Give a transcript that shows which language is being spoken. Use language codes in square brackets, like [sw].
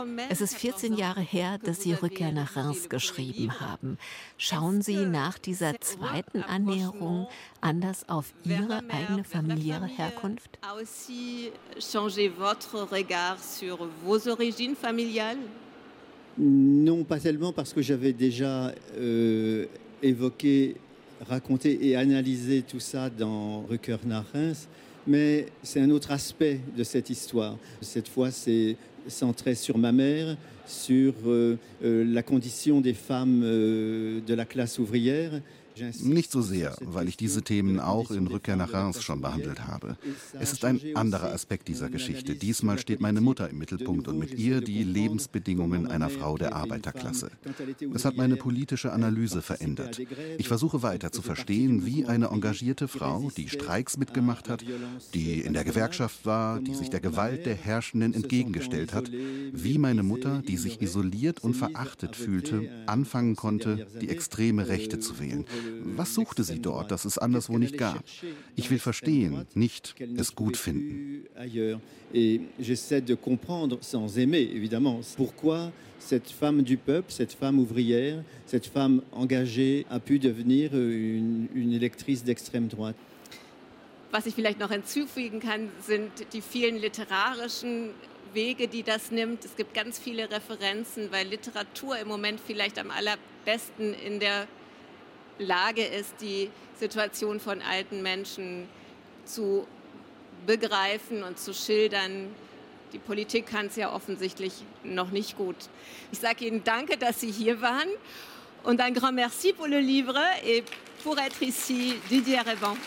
[de] Es ist 14 Jahre her, dass Sie Rückkehr nach Reims geschrieben haben. Schauen Sie nach dieser zweiten Annäherung anders auf Ihre eigene familiäre Herkunft? [fr] Changez votre regard sur vos origines familiales? Non, pas tellement, parce que j'avais déjà évoqué, raconté et analysé tout ça dans Rückkehr nach Reims, mais c'est un autre aspect de cette histoire. Cette fois, c'est centré sur ma mère, sur la condition des femmes de la classe ouvrière [de] Nicht so sehr, weil ich diese Themen auch in Rückkehr nach Reims schon behandelt habe. Es ist ein anderer Aspekt dieser Geschichte. Diesmal steht meine Mutter im Mittelpunkt und mit ihr die Lebensbedingungen einer Frau der Arbeiterklasse. Es hat meine politische Analyse verändert. Ich versuche weiter zu verstehen, wie eine engagierte Frau, die Streiks mitgemacht hat, die in der Gewerkschaft war, die sich der Gewalt der Herrschenden entgegengestellt hat, wie meine Mutter, die sich isoliert und verachtet fühlte, anfangen konnte, die extreme Rechte zu wählen. Was suchte sie dort, das es anderswo nicht gab? Ich will verstehen, nicht es gut finden. [fr] Et j'essaie de comprendre sans aimer évidemment pourquoi cette femme du peuple, cette femme ouvrière, cette femme engagée a pu devenir une électrice d'extrême droite. [de] Was ich vielleicht noch hinzufügen kann, sind die vielen literarischen Wege, die das nimmt. Es gibt ganz viele Referenzen, weil Literatur im Moment vielleicht am allerbesten in der Lage ist, die Situation von alten Menschen zu begreifen und zu schildern. Die Politik kann es ja offensichtlich noch nicht gut. Ich sage Ihnen danke, dass Sie hier waren. [fr] Und un grand merci pour le livre et pour être ici, Didier Reban.